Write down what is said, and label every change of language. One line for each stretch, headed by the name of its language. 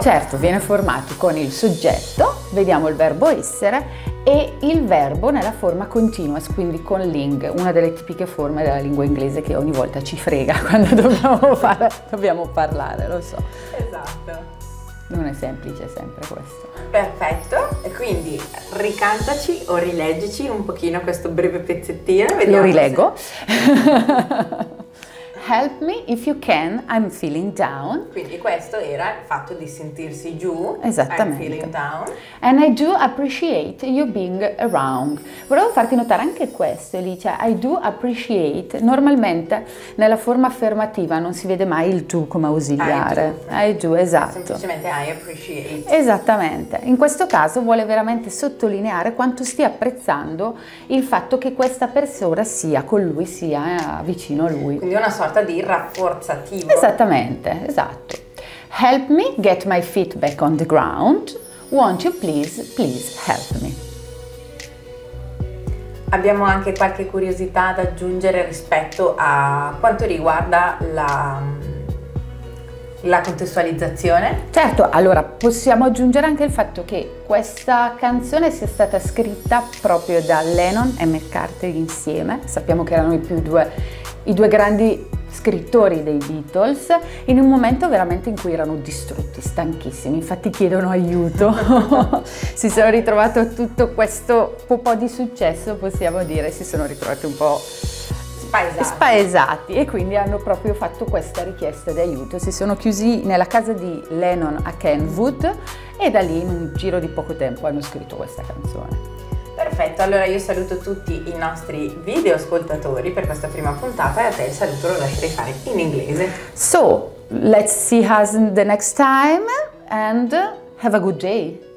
Italian: Certo, viene formato con il soggetto, vediamo il verbo essere e il verbo nella forma continuous, quindi con ling, una delle tipiche forme della lingua inglese che ogni volta ci frega quando dobbiamo parlare, lo so. Esatto. Non è semplice sempre questo. Perfetto, e quindi ricantaci o rileggici un pochino questo breve pezzettino. Vediamo. Lo rileggo.
English: Help me if you can, I'm feeling down.
Italian: Quindi questo era il fatto di sentirsi giù. Esattamente.
English: I'm feeling down. And I do appreciate you being around.
Italian: Volevo farti notare anche questo, Alicia.
English: I do appreciate.
Italian: Normalmente nella forma affermativa non si vede mai il do come ausiliare.
English: I do,
Italian: esatto.
English: Semplicemente I appreciate.
Italian: Esattamente. In questo caso vuole veramente sottolineare quanto stia apprezzando il fatto che questa persona sia con lui, sia vicino a lui. Quindi una sorta di rafforzativo. Esattamente, esatto.
English: Help me get my feet back on the ground. Won't you please, please help me.
Italian: Abbiamo anche qualche curiosità da aggiungere rispetto a quanto riguarda la contestualizzazione? Certo, allora possiamo aggiungere anche il fatto che questa canzone sia stata scritta proprio da Lennon e McCartney insieme. Sappiamo che erano i due grandi scrittori dei Beatles, in un momento veramente in cui erano distrutti, stanchissimi, infatti chiedono aiuto. Si sono ritrovato tutto questo po' di successo, possiamo dire, si sono ritrovati un po' spaesati e quindi hanno proprio fatto questa richiesta di aiuto. Si sono chiusi nella casa di Lennon a Kenwood e da lì in un giro di poco tempo hanno scritto questa canzone. Perfetto, allora io saluto tutti i nostri video ascoltatori per questa prima puntata e a te il saluto lo lascerei fare in inglese.
English: So, let's see us the next time and have a good day.